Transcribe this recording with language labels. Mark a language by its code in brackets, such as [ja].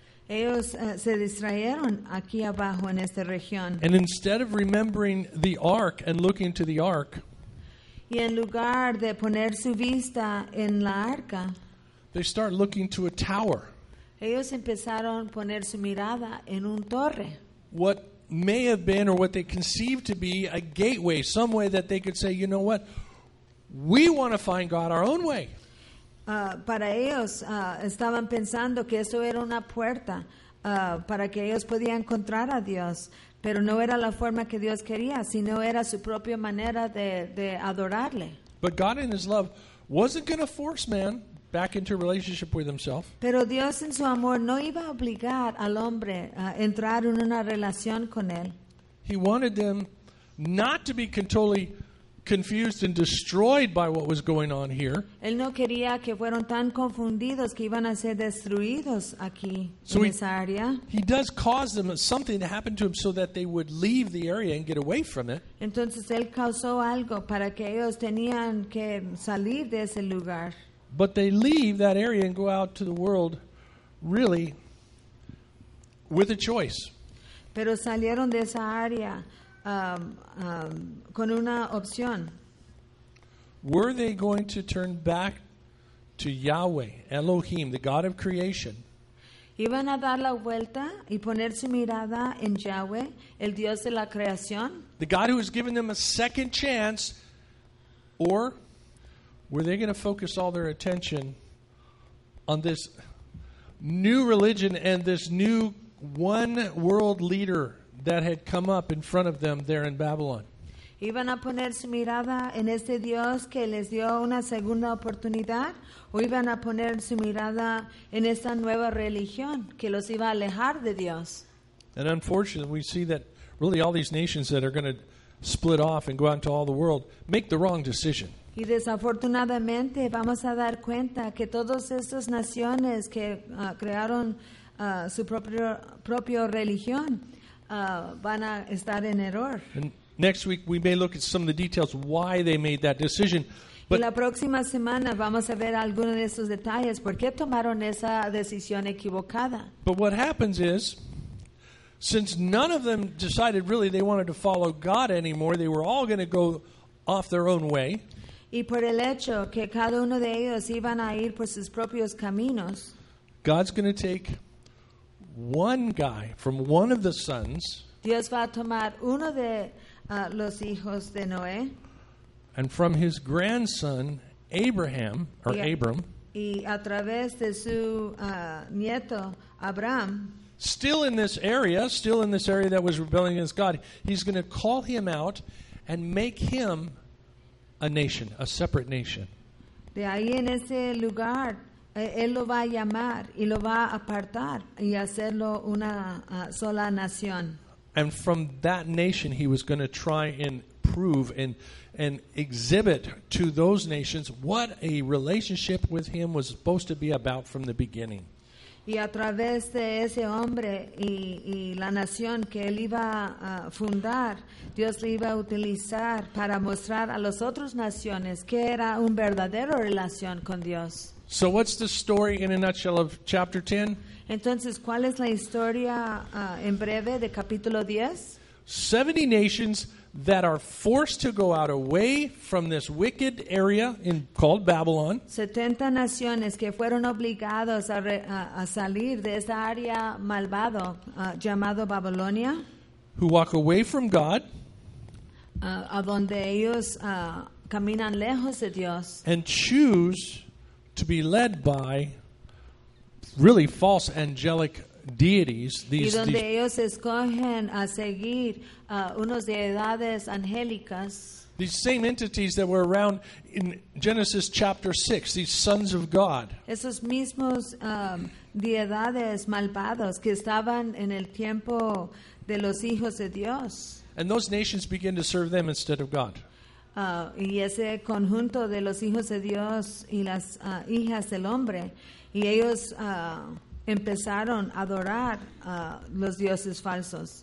[es] Ellos se distrajeron aquí abajo en esta región. [en] And instead of remembering the ark and looking to the ark, [es] y en lugar de poner su vista en la arca, [en] they start looking to a tower. [es] Ellos empezaron a poner su mirada en un torre. [en] What may have been or what they conceived to be a gateway, some way that they could say, you know what, we want to find God our own way. [es] Para ellos estaban pensando que eso era una puerta para que ellos podían encontrar a Dios, pero no era la forma que Dios quería, sino era su propia manera de adorarle. [en] But God in His love wasn't going to force man back into relationship with Himself. [es] Pero Dios en su amor no iba a obligar al hombre a entrar en una relación con él. [en] He wanted them not to be totally confused and destroyed by what was going on here. [es] Él no quería que fueran tan confundidos que iban a ser destruidos aquí en esa área. [en] He does cause them something to happen to him so that they would leave the area and get away from it. [es] Entonces él causó algo para que ellos tenían que salir de ese lugar. [en] But they leave that area and go out to the world really with a choice. [es] Pero salieron de esa área con una opción. [en] Were they going to turn back to Yahweh, Elohim, the God of creation? [es] ¿Iban a dar la vuelta y poner su mirada en Yahweh, el Dios de la creación? [en] The God who has given them a second chance, or were they going to focus all their attention on this new religion and this new one world leader that had come up in front of them there in Babylon? [es] ¿Iban a poner su mirada en este Dios que les dio una segunda oportunidad, o iban a poner su mirada en esta nueva religión que los iba a alejar de Dios? [en] And unfortunately, we see that really all these nations that are going to split off and go out into all the world make the wrong decision. [es] Y desafortunadamente vamos a dar cuenta que todas estas naciones que crearon su propio religión van a estar en error. [en] And next week we may look at some of the details why they made that decision. [es] But y la próxima semana vamos a ver algunos de esos detalles, por qué tomaron esa decisión equivocada. [en] But what happens is, since none of them decided really they wanted to follow God anymore, they were all going to go off their own way. [es] Y por el hecho que cada uno de ellos iban a ir por sus propios caminos, [en] God's going to take one guy from one of the sons, [es] Dios va a tomar uno de los hijos de Noé, [en] and from his grandson Abraham, or Abram, [es] y a través de su nieto Abraham, [en] still in this area that was rebelling against God, he's going to call him out and make him a nation, a separate nation. [es] De ahí en ese lugar, él lo va a llamar y lo va a apartar y hacerlo una sola nación. [en] And from that nation, he was going to try and prove and exhibit to those nations what a relationship with him was supposed to be about from the beginning. [es] Y a través de ese hombre y la nación que él iba a fundar, Dios le iba a utilizar para mostrar a las otras naciones que era un verdadero relación con Dios. [en] So what's the story in a nutshell of chapter 10? [es] Entonces, ¿cuál es la historia en breve de capítulo 10? [en] 70 nations that are forced to go out away from this wicked area in called Babylon. [es] 70 naciones que fueron obligados a salir de esa área malvado llamado Babilonia. [en] Who walk away from God. [es] A donde ellos caminan lejos de Dios. [en] And choose to be led by really false angelic deities, [es] these, y donde these, ellos escogen a seguir unos deidades angélicas. [en] These same entities that were around in Genesis chapter 6, these sons of God. [es] Esos mismos deidades malvados que estaban en el tiempo de los hijos de Dios. [en] And those nations begin to serve them instead of God. [es] Y ese conjunto de los hijos de Dios y las hijas del hombre, y ellos empezaron a adorar los dioses falsos.